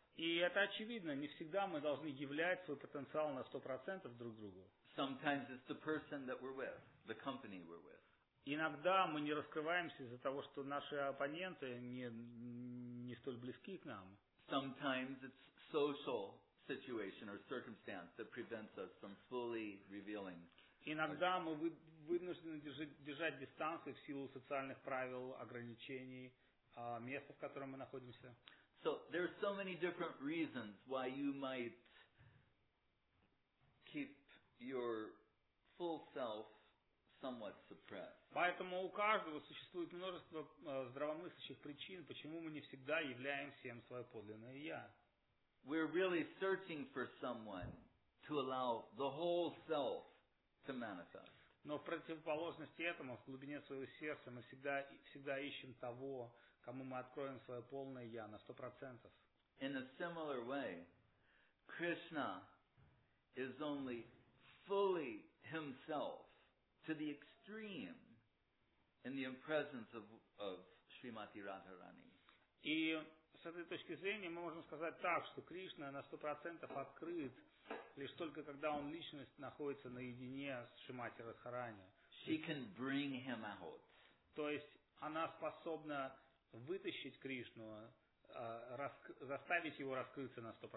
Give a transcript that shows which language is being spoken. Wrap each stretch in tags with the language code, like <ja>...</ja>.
<ru>И это очевидно, не всегда мы должны являть свой потенциал на 100% друг другу.</ru> <en>Sometimes it's the person that we're with, the company we're with.</en> <ru>Иногда мы не раскрываемся из-за того, что наши оппоненты не столь близки к нам.</ru> <en>Sometimes it's social situation or circumstance that prevents us from fully revealing.</en> <ru>Иногда мы вынуждены держать дистанцию в силу социальных правил, ограничений, места, в котором мы находимся.</ru> <en>So there are so many different reasons why you might keep your full self somewhat suppressed.</en> <ru>Поэтому у каждого существует множество здравомыслящих причин, почему мы не всегда являем всем свое подлинное я.</ru> <en>We're really searching for someone to allow the whole self to manifest.</en> <ru>Но в противоположности этому, в глубине своего сердца, мы всегда ищем того, кому мы откроем свое полное я на 100%.</ru> <en>In a similar way, Krishna is only fully himself to the extreme in the presence of Srimati Radharani.</en> <ru>И с этой точки зрения мы можем сказать так, что Кришна на 100% открыт лишь только когда он личность находится наедине с Шримати Радхарани.</ru> <en>She can bring him out.</en> <ru>То есть она способна вытащить Кришну, заставить его раскрыться на</ru>